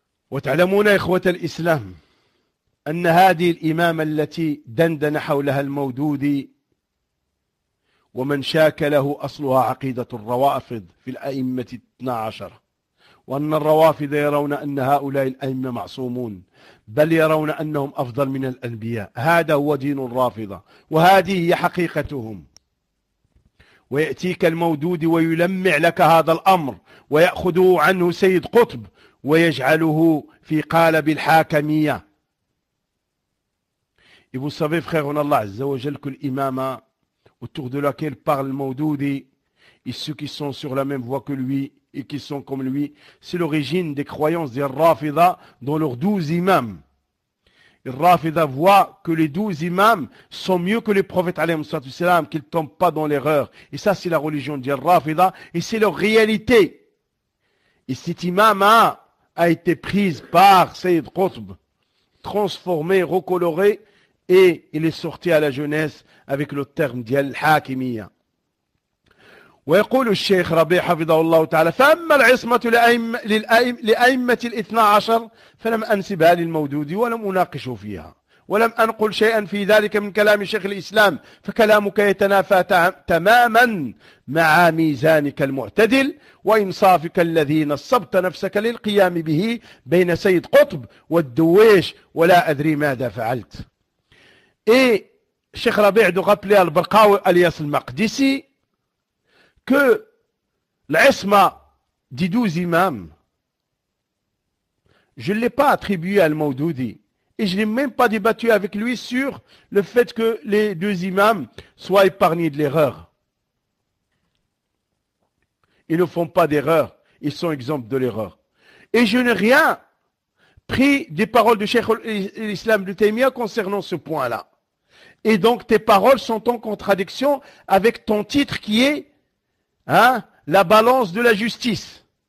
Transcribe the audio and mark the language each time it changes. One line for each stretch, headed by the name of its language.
Arabic: وتعلمون إخوة الإسلام أن هذه الإمامة التي دندن حولها المودودي ومن شاك له أصلها عقيدة الروافض في الأئمة 12 وأن الروافض يرون أن هؤلاء الأئمة معصومون بل يرون أنهم أفضل من الأنبياء هذا هو دين الرافضة وهذه هي حقيقتهم ويأتيك المودودي ويلمع لك هذا الأمر ويأخذ عنه سيد قطب ويجعله في قالب الحاكمية.
French: Et vous savez, frère, on a Allah Azza wa Jal, que l'imama autour de laquelle parle le Maududi et ceux qui sont sur la même voie que lui et qui sont comme lui, c'est l'origine des croyances des Rafida dans leurs 12 imams. Les Rafida voient que les 12 imams sont mieux que les prophètes alayhi wa sallam, qu'ils ne tombent pas dans l'erreur. Et ça, c'est la religion des Rafida et c'est leur réalité. Et cet imama a été prise par Sayyid Qutb, transformée, recolorée, et il est sorti à la jeunesse avec le terme d'Al-Hakimiyya.
Arabic: ويقول الشيخ ربيع حفظه الله تعالى فأما العصمة لأئمة الاثنى عشر فلم أنسبها للمودود ولم أناقش فيها ولم أنقل شيئا في ذلك من كلام شيخ الإسلام فكلامك يتنافى تماما مع ميزانك المعتدل وإنصافك الذي نصبت نفسك للقيام به بين سيد قطب والدويش ولا أدري ماذا فعلت
French: إيه شيخ ربيع دو غابلي البرقاوي الياس المقدسي que l'Isma des 12 imams, je ne l'ai pas attribué à Al-Maududi et je n'ai même pas débattu avec lui sur le fait que les deux imams soient épargnés de l'erreur. Ils ne font pas d'erreur, ils sont exemples de l'erreur. Et je n'ai rien pris des paroles du Cheikh l'Islam de Taymiyyah concernant ce point-là. Et donc tes paroles sont en contradiction avec ton titre qui est la balance de la justice.